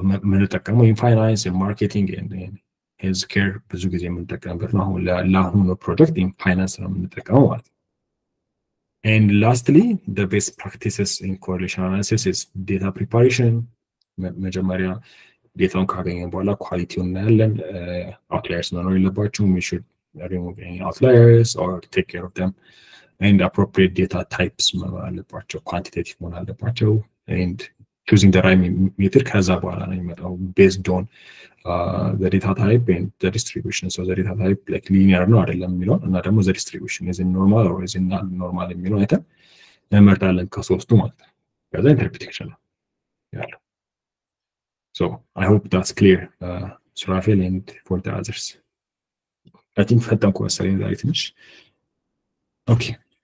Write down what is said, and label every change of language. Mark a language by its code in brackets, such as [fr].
[am] ምንጠቀመው ኢንፋይናንስ ማርኬቲንግ ሄልዝ ኬር ብዙ ጊዜ የምንጠቀምበት ነው። አሁን ለአሁኑ ፕሮጀክት ኢንፋይናንስ ነው የምንጠቀመው ማለት ነው። [en] And lastly, the best practices in correlation analysis is data preparation. [am] መጀመሪያ ዴታውን ካገኘን በኋላ ኳሊቲውን እናያለን። አውትላየርስ መኖር የለባቸውም። [en] We should remove any outliers or take care of them. And appropriate data types [am] መኖር አለባቸው፣ ኳንቲቴቲቭ መሆን አለባቸው። [en] And choosing the right metric, [am] ከዛ በኋላ ነው የሚመጣው [en] based on the data type and the distribution. So the data type like linear [am] ነው አይደለም የሚለውን እና ደግሞ [en] the distribution is it normal or is it not normal [am] የሚለውን አይተን እንመርጣለን ከሶስቱ ማለት ነው። ከዛ [en] interpretation ነው ያለው። So I hope that's clear, Surafel and for the others. I think [am] ፈጠንኩ መሰለኝ ዛሬ ትንሽ። Okay.